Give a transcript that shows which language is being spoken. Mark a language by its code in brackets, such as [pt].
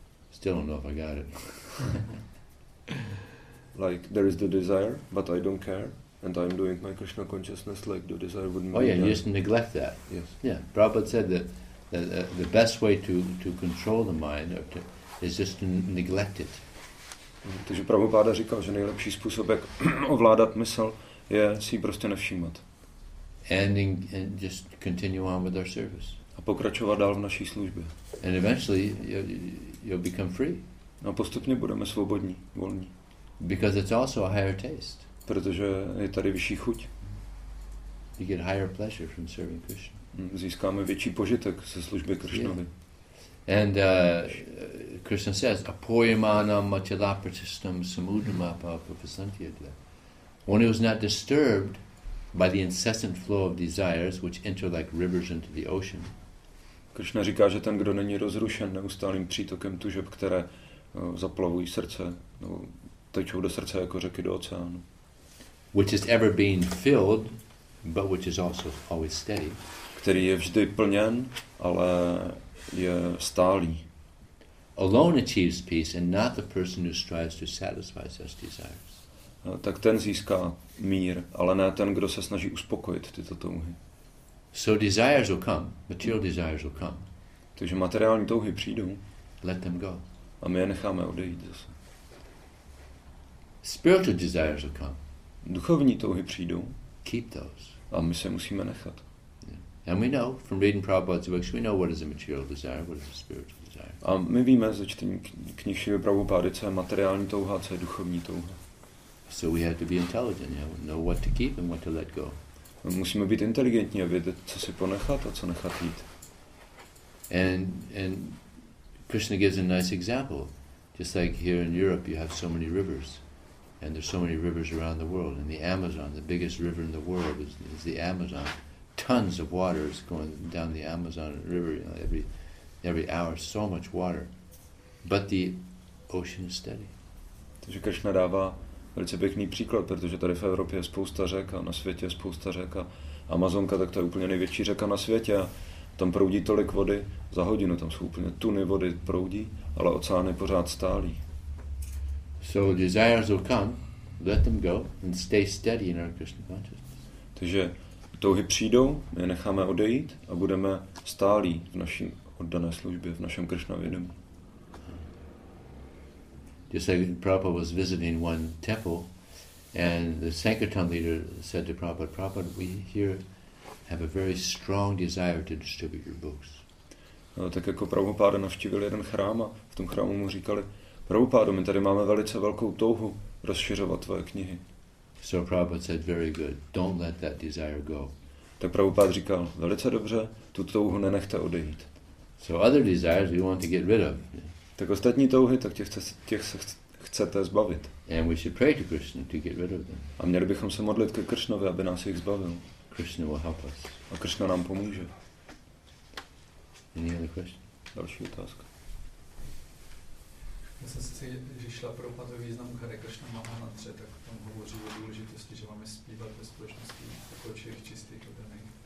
[en] Still don't know if I got it. Like there is the desire, but I don't care, and I'm doing my Krishna consciousness like the desire wouldn't be. Oh yeah, you just neglect that. Yes. Yeah. Prabhupada said that the best way to control the mind is just to neglect it. [cs] Takže Prabhupáda říkal, že nejlepší způsob, jak ovládat mysl, je si prostě nevšímat. [en] And just continue on with our service. [cs] A pokračovat dál v naší službě. [en] And eventually you'll become free. [cs] A postupně budeme svobodní, volní. [en] Because it's also a higher taste. [cs] Protože je tady vyšší chuť. [en] You get higher pleasure from serving Krishna. [cs] Získáme větší požitek ze služby Krishnovi. [en] Yeah. And Krishna says, [sa] apoyamanam matilapratistam samudamapapapasantyadya. [en] When he was not disturbed by the incessant flow of desires which enter like rivers into the ocean. [cs] Krishna říká, že ten, kdo není rozrušen neustálým přítokem tužeb, které zaplavují srdce, nebo tečou do srdce jako řeky do oceánu. [en] Which is ever being filled, but which is also always steady. [cs] Který je vždy plněn, ale je stálý. [en] Alone achieves peace and not the person who strives to satisfy such desires. [cs] No, tak ten získá mír, ale ne ten, kdo se snaží uspokojit tyto touhy. [en] So desires will come, material desires will come. [cs] Takže materiální touhy přijdou. [en] Let them go. [cs] A my je necháme odejít zase. [en] Spiritual desires will come. [cs] Duchovní touhy přijdou. [en] Keep those. [cs] A my se musíme nechat. [en] Yeah. And we know from reading Prabhupada's books, we know what is a material desire, what is a spiritual desire. [cs] A my víme ze čtení knih Šrily Prabhupády, co je materiální touha, co je duchovní touha. [en] So we have to be intelligent, you know what to keep and what to let go. [cs] Musíme být inteligentní a vědět, co si ponechat a co nechat jít. [en] And Krishna gives a nice example. Just like here in Europe you have so many rivers. And there's so many rivers around the world. And the Amazon, the biggest river in the world is the Amazon. Tons of water is going down the Amazon River, you know, every hour, so much water. But the ocean is steady. [cs] Takže Krishna dává velice pěkný příklad, protože tady v Evropě je spousta řek a na světě je spousta řek a Amazonka, tak to je úplně největší řeka na světě a tam proudí tolik vody za hodinu, tam jsou úplně tuny vody proudí, ale oceán je pořád stálý. [en] So desires will come, let them go and stay steady in our Krishna consciousness. [cs] Takže touhy přijdou, my je necháme odejít a budeme stálí v naší oddané službě, v našem Krishna vědomí. [en] Just like Prabhupada was visiting one temple and the Sankirtan leader said to Prabhupada, Prabhupada, we here have a very strong desire to distribute your books. [cs] No, tak jako Prabhupada navštívil jeden chrám a v tom chrámu mu říkali, Prabhupada, my tady máme velice velkou touhu rozšiřovat tvoje knihy. [en] So Prabhupada said, very good, don't let that desire go. [cs] Tak Prabhupada říkal, velice dobře, tu touhu nenechte odejít. [en] So other desires we want to get rid of. [cs] Tak ostatní touhy, tak těch se chcete zbavit. [en] And we should pray to Krishna to get rid of them. [cs] A měli bychom se modlit ke Krishnovi, aby nás jich zbavil. [en] Krishna will help us. [cs] A Krishna nám pomůže. [en] Any other question? [cs] Další otázka. Já jsem si, když šla pro patový význam Hare Krishna Mahamantra, tak tam hovoří o důležitosti, že máme zpívat ve společnosti jako všech čistých odrnejch.